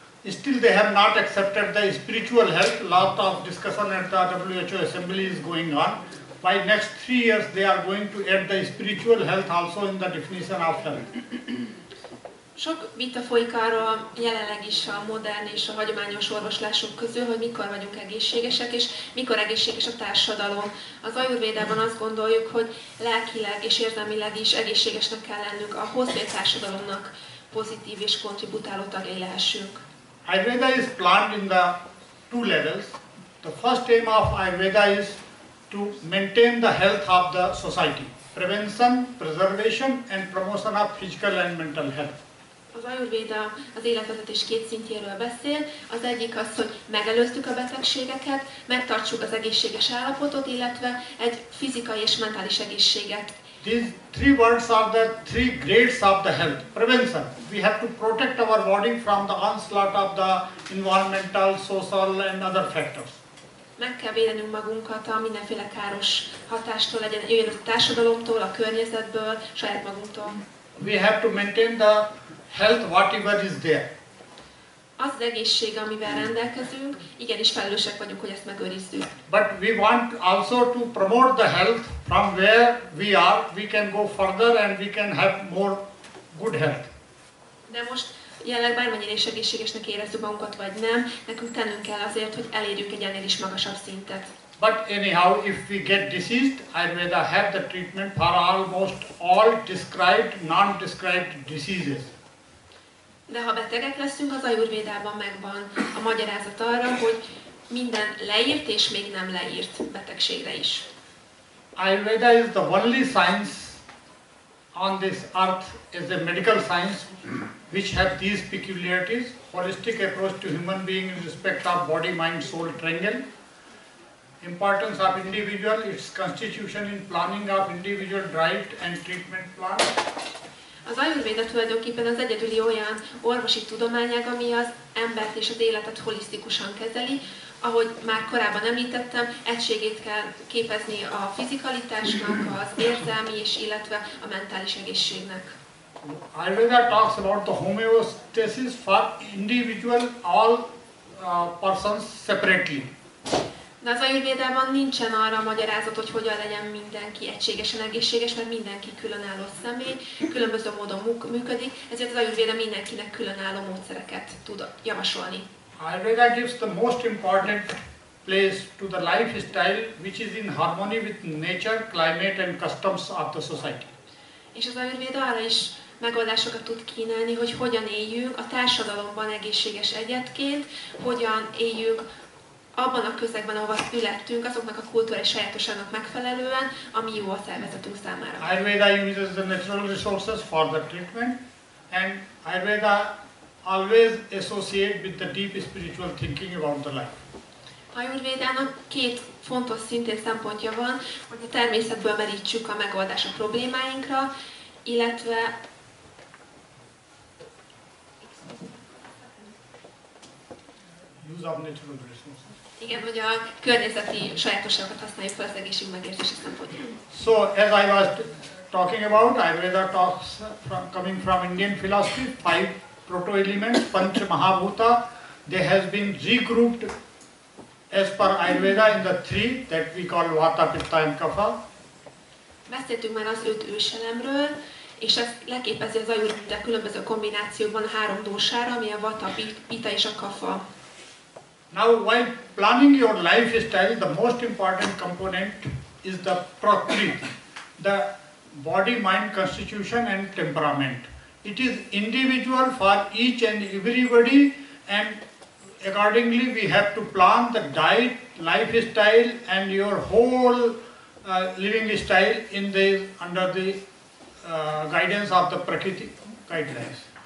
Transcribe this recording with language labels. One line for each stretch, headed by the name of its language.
English: Still they have not accepted the spiritual health. Lot of discussion at the WHO assembly is going on. By next 3 years, they are going to add the spiritual health also in the definition of health.
Hungarian: Sok vita folyik arról jelenleg is a modern és a hagyományos orvoslások közül, hogy mikor vagyunk egészségesek, és mikor egészséges a társadalom. Az Ayurvédában azt gondoljuk, hogy lelkileg és érzelmileg is egészségesnek kell lennünk ahhoz, hogy a társadalomnak pozitív és kontributáló tagjai lehessünk.
English: Ayurveda is planned in the two levels. The first aim of Ayurveda is to maintain the health of the society. Prevention, preservation and promotion of physical and mental health.
Hungarian: Az Ayurveda az életvezetés két szintjéről beszél. Az egyik az, hogy megelőztük a betegségeket, megtartsuk az egészséges állapotot, illetve egy fizikai és mentális egészséget.
English: These three words are the three grades of the health. Prevention. We have to protect our body from the onslaught of the environmental, social and other factors.
Hungarian: Meg kell védenünk magunkat a mindenféle káros hatástól, legyen jöjjön a társadalomtól, a környezetből, saját magunktól.
English: We have to maintain the health whatever is there.
Hungarian: Az egészség, amivel rendelkezünk, igenis felelősek vagyunk, hogy ezt megőrizzük.
English: But we want also to promote the health from where we are. We can go further and we can have more good health.
Hungarian: De most jelenleg bármennyire is egészségesnek érezzük magunkat, vagy nem, nekünk tennünk kell azért, hogy elérjük egy ennél is magasabb szintet.
English: But anyhow, if we get diseased, Ayurveda have the treatment for almost all described, non-described diseases.
Hungarian: De ha betegek leszünk, az Ayurvédában megvan a magyarázat arra, hogy minden leírt és még nem leírt betegségre is.
English: Ayurveda is the only science on this earth as a medical science which have these peculiarities, holistic approach to human being in respect of body, mind, soul, triangle, importance of individual, its constitution in planning of individual drive and treatment plan.
Hungarian: Az Ayurveda tulajdonképpen az egyedüli olyan orvosi tudományág, ami az embert és az életet holisztikusan kezeli, ahogy már korábban említettem, egységét kell képezni a fizikalitásnak, az érzelmi és illetve a mentális egészségnek.
English: Ayurveda talks about the homeostasis for individual all persons separately.
Hungarian: De az Ayurvédában nincsen arra a magyarázat, hogy hogyan legyen mindenki egységesen egészséges, mert mindenki különálló személy, különböző módon működik, ezért az Ayurvéda mindenkinek különálló módszereket tud javasolni.
English: Ayurveda gives the most important place to the lifestyle which is in harmony with nature, climate and customs of the society.
Hungarian: És az Ayurveda arra is megoldásokat tud kínálni, hogy hogyan éljünk a társadalomban egészséges egyetként, hogyan éljünk abban a közegben, ahova születtünk, azoknak a kultúrai sajátosságnak megfelelően, ami jó a szervezetünk számára.
English: Ayurveda uses the natural resources for the treatment, and Ayurveda always associate with the deep spiritual thinking about the life.
Hungarian: Ayurvédának két fontos szintén szempontja van, hogy a természetből merítsük a megoldás a problémáinkra, illetve
English: use of natural resources.
Hungarian: Igen, hogy a környezeti sajátosságokat használjuk fel az egészség megértési szempontjából.
English: So, as I was talking about, Ayurveda talks from, coming from Indian philosophy, five proto-elements, Pancha Mahabhuta, they has been regrouped as per Ayurveda in the three that we call Vata, Pitta and Kapha.
Hungarian: Beszéltünk már az öt őselemről, és ez leképezi az Ayurveda különböző kombinációban három dósára, ami a Vata, Pitta és a Kapha.
English: Now, while planning your lifestyle, the most important component is the prakriti, the body-mind constitution and temperament. It is individual for each and everybody, and accordingly we have to plan the diet, lifestyle and your whole living style in the, under the guidance of the prakriti guidelines.